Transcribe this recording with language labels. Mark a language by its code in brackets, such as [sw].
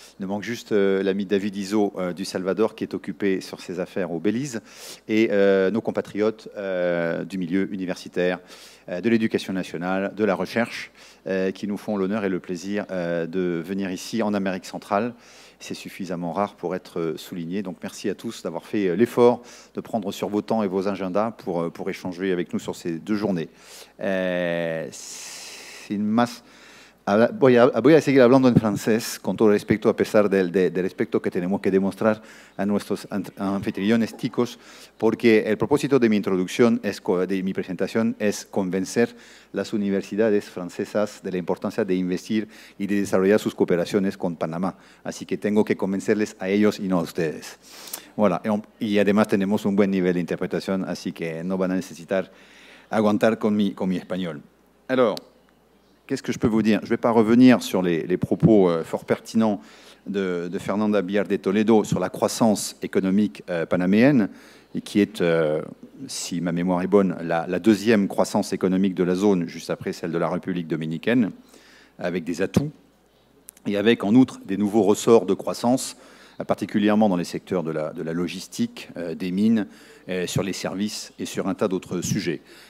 [fr] Il nous manque juste l'ami David Izzo du Salvador qui est occupé sur ses affaires au Belize et nos compatriotes du milieu universitaire, de l'éducation nationale, de la recherche qui nous font l'honneur et le plaisir de venir ici en Amérique centrale. C'est suffisamment rare pour être souligné. Donc, merci à tous d'avoir fait l'effort de prendre sur vos temps et vos agendas pour échanger avec nous sur ces deux journées. [es] Sin más, voy a seguir hablando en francés con todo respeto, a pesar del respeto que tenemos que demostrar a nuestros anfitriones ticos, porque el propósito de mi introducción, de mi presentación, es convencer las universidades francesas de la importancia de investir y de desarrollar sus cooperaciones con Panamá. Así que tengo que convencerles a ellos y no a ustedes. Voilà. Y además tenemos un buen nivel de interpretación, así que no van a necesitar aguantar con mi español. [fr] Alors, qu'est-ce que je peux vous dire? Je ne vais pas revenir sur les propos fort pertinents de Fernanda Biar de Toledo sur la croissance économique panaméenne, et qui est, si ma mémoire est bonne, la deuxième croissance économique de la zone, juste après celle de la République dominicaine, avec des atouts, et avec en outre des nouveaux ressorts de croissance, particulièrement dans les secteurs de la logistique, des mines, sur les services et sur un tas d'autres sujets.